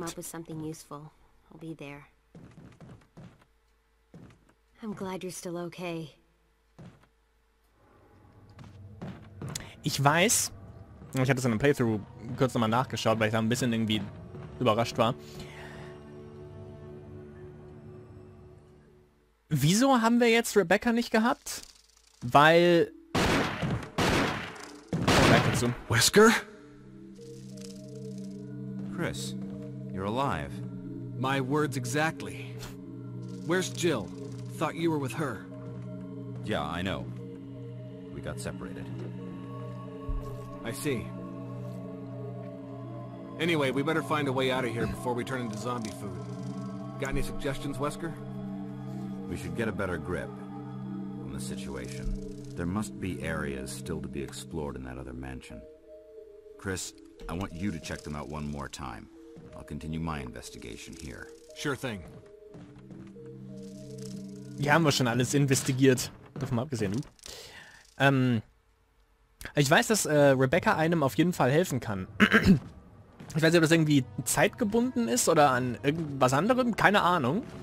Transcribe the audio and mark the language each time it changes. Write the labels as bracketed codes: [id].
[en] Come up with something useful. I'll be there. I'm glad you're still okay. [de] Ich weiß, ich hatte es in einem Playthrough kurz nochmal nachgeschaut, weil ich da ein bisschen irgendwie überrascht war. Wieso haben wir jetzt Rebecca nicht gehabt? Weil... Oh, back dazu. [en] Wesker? Chris, you're alive. My words exactly. Where's Jill? Thought you were with her. Yeah, I know. We got separated. I see. Anyway, we better find a way out of here before we turn into zombie food. Got any suggestions, Wesker? We should get a better grip on the situation. There must be areas still to be explored in that other mansion. Chris, I want you to check them out one more time. I'll continue my investigation here. Sure thing. [de] Hier haben wir schon alles investigiert. Davon abgesehen. Ich weiß, dass Rebecca einem auf jeden Fall helfen kann. Ich weiß nicht, ob das irgendwie zeitgebunden ist oder an irgendwas anderem. Keine Ahnung.